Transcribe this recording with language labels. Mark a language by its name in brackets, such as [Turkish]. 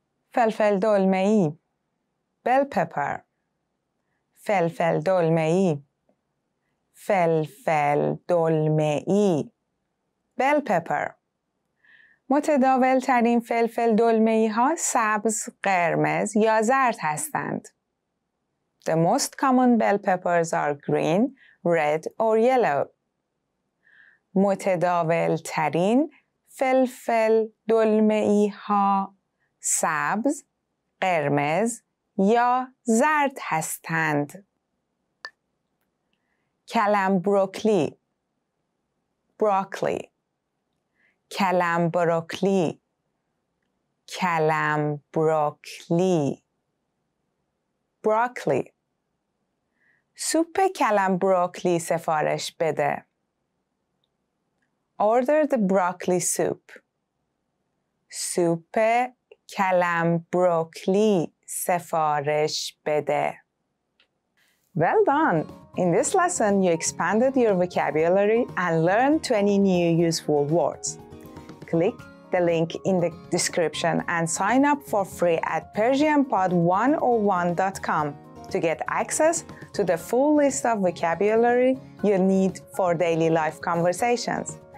[Persian] فلفل دلمه ای bell pepper فلفل دلمه ای فلفل دلمه ای bell pepper متداول ترین فلفل دلمه ای ها سبز، قرمز یا زرد هستند. [English] The most common bell peppers are green, red or yellow. [Persian] متداول ترین فلفل دلمه ای ها سبز، قرمز یا زرد هستند. کلم بروکلی بروکلی کلم بروکلی کلم بروکلی بروکلی سوپ کلم بروکلی سفارش بده. [English] Order the broccoli soup. [Persian] سوپ کلم بروکلی سفارش بده. [English] Well done! In this lesson, you expanded your vocabulary and learned 20 new useful words. Click the link in the description and sign up for free at PersianPod101.com to get access to the full list of vocabulary you'll need for daily life conversations.